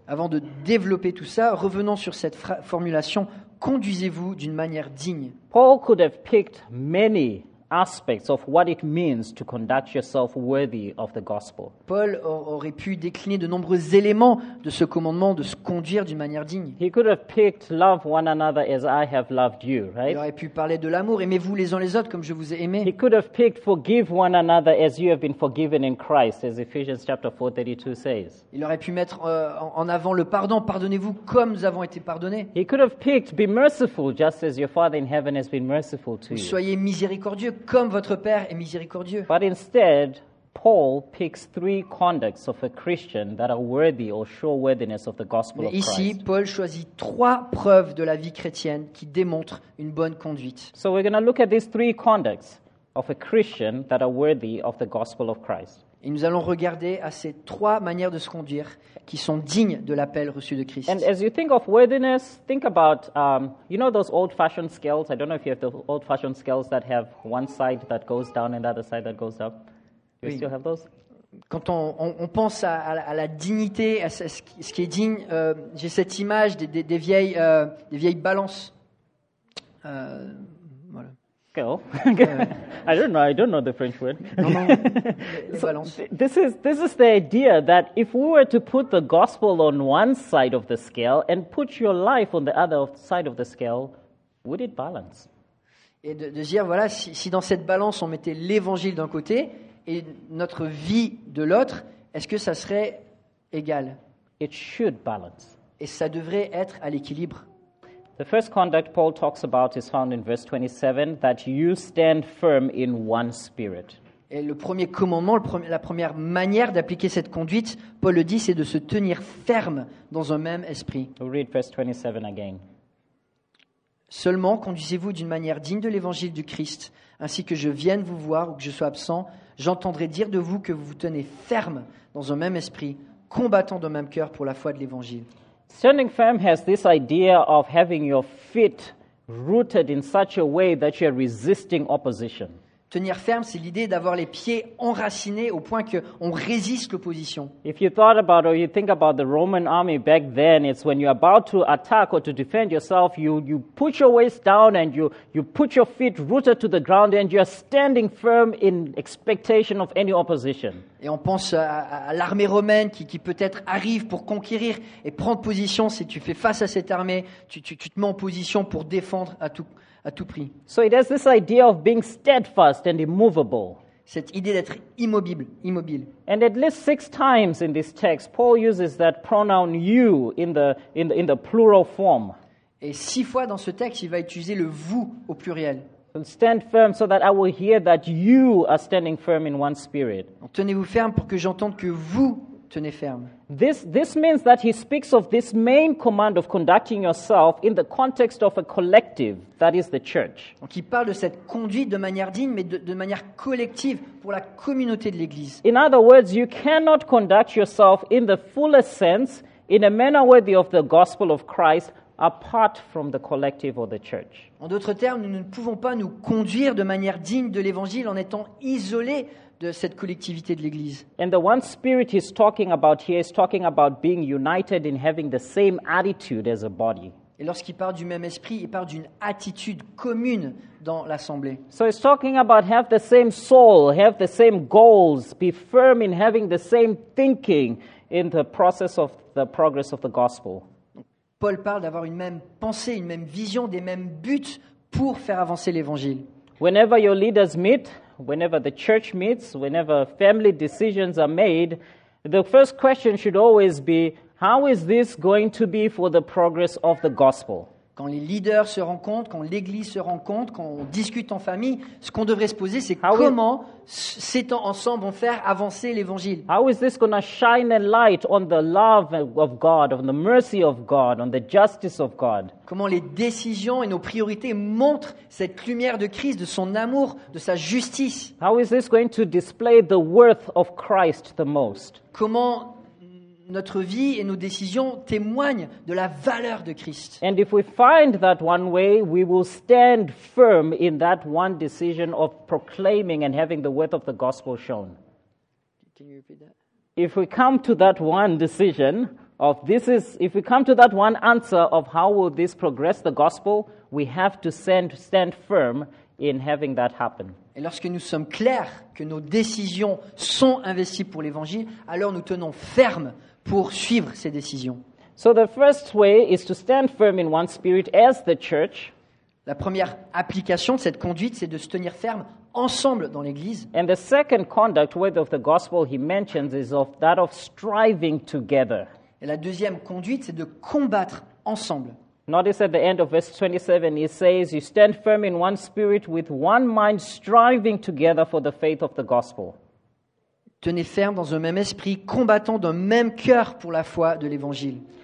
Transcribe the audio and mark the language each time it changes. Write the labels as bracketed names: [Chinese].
[French] Avant de développer tout ça, revenons sur cette formulation. Conduisez-vous d'une manière digne. [English] Paul could have picked many aspects of what it means to conduct yourself worthy of the gospel. [French] Paul aurait pu décliner de nombreux éléments de ce commandement de se conduire d'une manière digne. [English] He could have picked love one another as I have loved you, right? [French] Il aurait pu parler de l'amour, aimez-vous les uns les autres comme je vous ai aimé. [English] He could have picked forgive one another as you have been forgiven in Christ, as Ephesians chapter 4:32 says. [French] Il aurait pu mettre en avant le pardon, pardonnez-vous comme nous avons été pardonnés. [English] He could have picked be merciful just as your Father in heaven has been merciful to you. [French] Soyez miséricordieux comme votre Père est miséricordieux. [English] But instead, Paul picks three conducts of a Christian that are worthy or show worthiness of the gospel [French] ici, [English] of Christ. [French] Ici, Paul choisit trois preuves de la vie chrétienne qui démontrent une bonne conduite. [English] So we're going to look at these three conducts of a Christian that are worthy of the gospel of Christ. [French] Et nous allons regarder à ces trois manières de se conduire qui sont dignes de l'appel reçu de Christ. [English] And as you think of worthiness, think about, you know those old-fashioned scales? I don't know if you have the old-fashioned scales that have one side that goes down and the other side that goes up. You [French] oui. [English] Still have those? [French] Quand on pense à la dignité, à ce qui est digne, j'ai cette image des vieilles balances. [English] I don't know the French word. So this is the idea that if we were to put the gospel on one side of the scale and put your life on the other side of the scale, would it balance? [French] Et de dire voilà si dans cette balance on mettait l'évangile d'un côté et notre vie de l'autre, est-ce que ça serait égal? [English] It should balance. [French] Et ça devrait être à l'équilibre. [English] The first conduct Paul talks about is found in verse 27, that you stand firm in one spirit. [French] Et le premier commandement, la première manière d'appliquer cette conduite, Paul le dit, c'est de se tenir ferme dans un même esprit. [English] We'll read verse 27 again. [French] Seulement, conduisez-vous d'une manière digne de l'évangile du Christ, ainsi que je vienne vous voir ou que je sois absent, j'entendrai dire de vous que vous vous tenez ferme dans un même esprit, combattant d'un même cœur pour la foi de l'évangile. [English] Standing firm has this idea of having your feet rooted in such a way that you are resisting opposition. [French] Tenir ferme, c'est l'idée d'avoir les pieds enracinés au point que on résiste l'opposition. [English] If you thought about or you think about the Roman army back then, it's when you're about to attack or to defend yourself, you put your waist down and you put your feet rooted to the ground and you're standing firm in expectation of any opposition. [French] Et on pense à l'armée romaine qui peut-être arrive pour conquérir et prendre position. Si tu fais face à cette armée, tu te mets en position pour défendre à tout prix. [English] So it has this idea of being steadfast and immovable. [French] Cette idée d'être immobile. [English] And at least 6 times in this text, Paul uses that pronoun you in the plural form. [French] Et 6 fois dans ce texte, il va utiliser le vous au pluriel. [English] And stand firm so that I will hear that you are standing firm in one spirit. [French] Tenez-vous ferme pour que j'entende que vous tenez ferme. [English] This means that he speaks of this main command of conducting yourself in the context of a collective, that is the church. [French] Donc il parle de cette conduite de manière digne, mais de manière collective pour la communauté de l'Église. [English] In other words, you cannot conduct yourself in the fullest sense in a manner worthy of the gospel of Christ apart from the collective or the church. [French] En d'autres termes, nous ne pouvons pas nous conduire de manière digne de l'Évangile en étant isolés de cette collectivité de l'Église. [English] And the one spirit he's talking about here is talking about being united in having the same attitude as a body. [French] Et lorsqu'il parle du même esprit, il parle d'une attitude commune dans l'assemblée. [English] So he's talking about have the same soul, have the same goals, be firm in having the same thinking in the process of the progress of the gospel. [French] Paul parle d'avoir une même pensée, une même vision, des mêmes buts pour faire avancer l'Évangile. [English] Whenever your leaders meet, whenever the church meets, whenever family decisions are made, the first question should always be, how is this going to be for the progress of the gospel? [French] Quand les leaders se rencontrent, quand l'Église se rencontre, quand on discute en famille, ce qu'on devrait se poser, c'est comment s'étant ensemble, on faire avancer l'Évangile. [English] How is this going to shine a light on the love of God, on the mercy of God, on the justice of God? [French] Comment les décisions et nos priorités montrent cette lumière de Christ, de son amour, de sa justice? [English] How is this going to display the worth of Christ the most? [French] Comment notre vie et nos décisions témoignent de la valeur de Christ. [English] And if we find that one way, we will stand firm in that one decision of proclaiming and having the worth of the gospel shown. Can you repeat that? If we come to that one decision of this is, if we come to that one answer of how will this progress the gospel, we have to stand firm in having that happen. [French] Et lorsque nous sommes clairs que nos décisions sont investies pour l'Évangile, alors nous tenons ferme pour suivre ces décisions. [English] So the first way is to stand firm in one spirit as the church. [French] La première application de cette conduite, c'est de se tenir ferme ensemble dans l'Église. [English] And the second conduct, whether of the gospel he mentions, is of that of striving together. [French] Et la deuxième conduite, c'est de combattre ensemble. [English] Notice at the end of verse 27, he says, "You stand firm in one spirit with one mind, striving together for the faith of the gospel." [French] Tenez ferme dans un même esprit, combattant d'un même cœur pour la foi de l'Évangile.